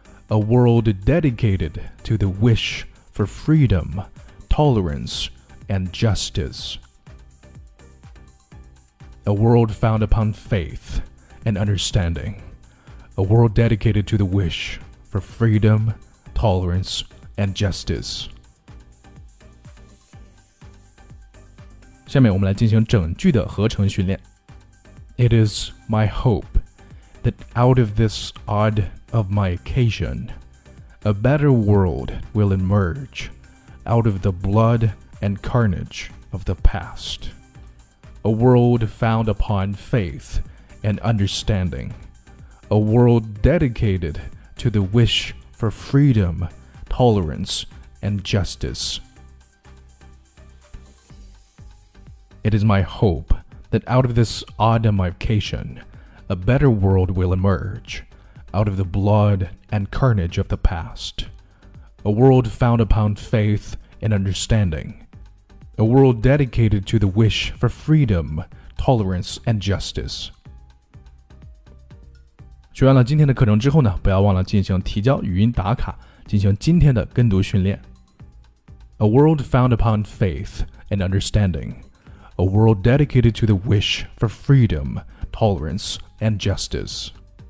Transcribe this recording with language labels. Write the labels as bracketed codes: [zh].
[en] A world dedicated to the wish for freedom, tolerance, and justice. A world found upon faith and understanding. A world dedicated to the wish for freedom,Tolerance and justice. [zh] 下面我们来进行整句的合成训练。 [en] It is my hope that out of this odd of my occasion, a better world will emerge out of the blood and carnage of the past. A world found upon faith and understanding. A world dedicated to the wishfor freedom, tolerance, and justice. It is my hope that out of this odd demarcation, a better world will emerge, out of the blood and carnage of the past. A world found upon faith and understanding. A world dedicated to the wish for freedom, tolerance, and justice. [zh] 学完了今天的课程之后呢，不要忘了进行提交语音打卡，进行今天的跟读训练。 [en] A world found upon faith and understanding. A world dedicated to the wish for freedom, tolerance, and justice.